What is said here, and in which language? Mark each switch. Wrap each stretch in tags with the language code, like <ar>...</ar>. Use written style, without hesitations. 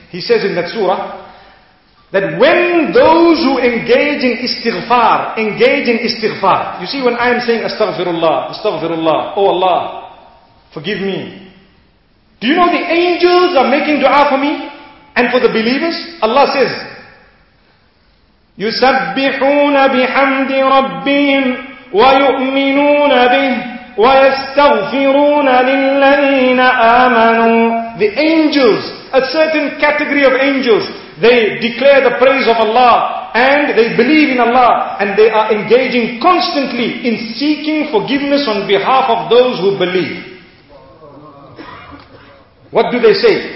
<en>He says in that surah, that when those who engage in istighfar, engage in istighfar. You see, when I am saying astaghfirullah, astaghfirullah, oh Allah, forgive me. Do you know the angels are making dua for me and for the believers? Allah says,</en> <ar>يُسَبِّحُونَ بِحَمْدِ رَبِّهِمْ وَيُؤْمِنُونَ بِهِ وَيَسْتَغْفِرُونَ لِلَّذِينَ آمَنُوا.</ar> <en>The angels, a certain category of angels, they declare the praise of Allah and they believe in Allah and they are engaging constantly in seeking forgiveness on behalf of those who believe. What do they say?</en>